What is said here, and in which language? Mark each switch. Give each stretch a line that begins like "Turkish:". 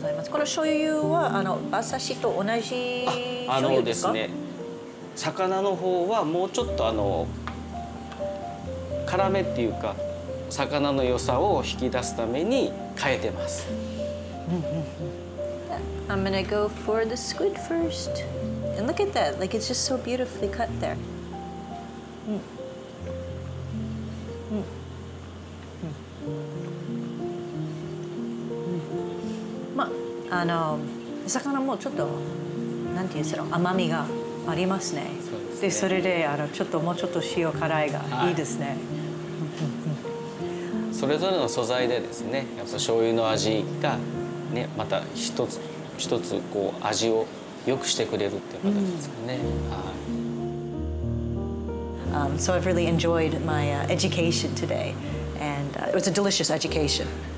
Japanese: この醤油はあの馬刺しと同じ醤油ですか？あ、あのですね、魚の方はもうちょっとあの辛めっていうか魚の良さを引き出すために変えてます。
English: I'm gonna go for the squid first. And look at that, like it's just so beautifully cut there. Mm. Mm. Mm. Mm. Mm. Mm.
Japanese: あの魚もちょっとなんていうんですか、甘みがありますね。そうですね。でそれであのちょっともうちょっと塩辛いがいいですね。はい、それぞれの素材でですね、やっぱ醤油の味がね、また一つ一つこう味を良くしてくれるっていう形ですかね。うん、はい。
English: So I've really enjoyed my education today, and it was a delicious education.